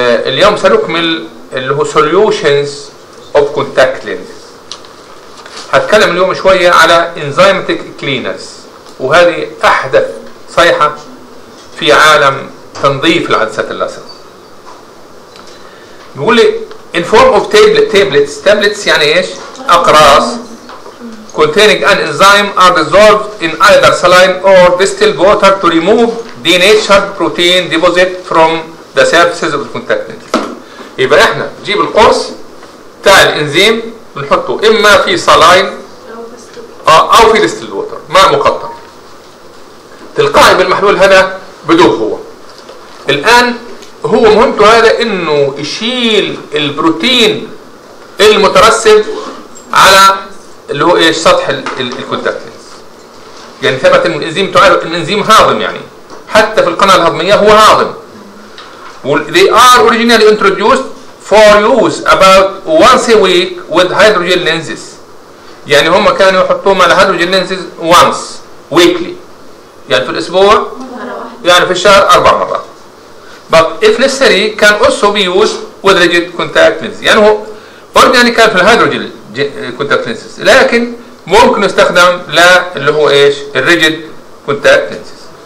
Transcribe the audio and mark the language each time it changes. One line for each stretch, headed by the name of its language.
Arabic: اليوم سنكمل اللي هو
English: solutions of contact lens.
Arabic: هتكلم اليوم شوية على
English: enzymatic cleaners،
Arabic: وهذه أحدث صيحة في عالم تنظيف العدسات اللاصقة. بيقول لي
English: in form of tablets
Arabic: يعني ايش؟ اقراص
English: containing an enzyme are dissolved in either saline or distilled water to remove denatured protein deposit from the surfaces of the contact lens.
Arabic: يبقى احنا نجيب القرص بتاع الانزيم نحطه اما في saline او في distilled water مع مقطع، تلقائي بالمحلول هذا بدوب هو. الان هو مهمته هذا انه يشيل البروتين المترسب على اللي هو ايش سطح الكونتاكت لينز. يعني ثبت ان الانزيم تعرف ان الانزيم هاضم، يعني حتى في القناة الهضمية هو هاضم.
English: They are originally introduced for use about once a week with hydrogen lenses.
Arabic: يعني هم كانوا يحطوهم على hydrogen lenses
English: once weekly،
Arabic: يعني في الاسبوع، يعني في الشهر 4 مرات.
English: But if necessary can also be used with rigid contact lenses.
Arabic: يعني هو أورجانيك كان في الهيدروجين contact lenses، لكن ممكن يستخدم لا اللي هو إيش الرجيد contact lenses.